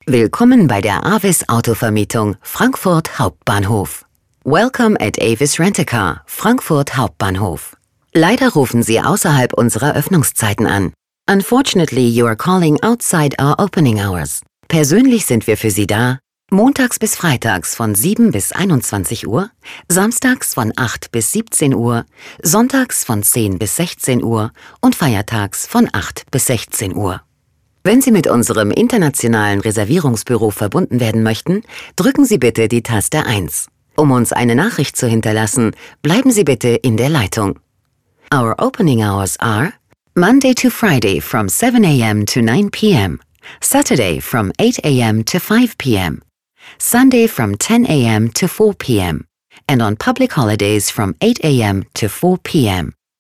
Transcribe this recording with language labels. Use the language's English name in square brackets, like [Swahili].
[German] Willkommen bei der Avis Autovermietung Frankfurt Hauptbahnhof. [English] Welcome at Avis Rent-A-Car, Frankfurt Hauptbahnhof. [German] Leider rufen Sie außerhalb unserer Öffnungszeiten an. [English] Unfortunately, you are calling outside our opening hours. [German] Persönlich sind wir für Sie da, montags bis freitags von 7 bis 21 Uhr, samstags von 8 bis 17 Uhr, sonntags von 10 bis 16 Uhr und feiertags von 8 bis 16 Uhr. Wenn Sie mit unserem internationalen Reservierungsbüro verbunden werden möchten, drücken Sie bitte die Taste 1. Um uns eine Nachricht zu hinterlassen, bleiben Sie bitte in der Leitung. [English] Our opening hours are Monday to Friday from 7 a.m. to 9 p.m. Saturday from 8 a.m. to 5 p.m. Sunday from 10 a.m. to 4 p.m. And on public holidays from 8 a.m. to 4 p.m.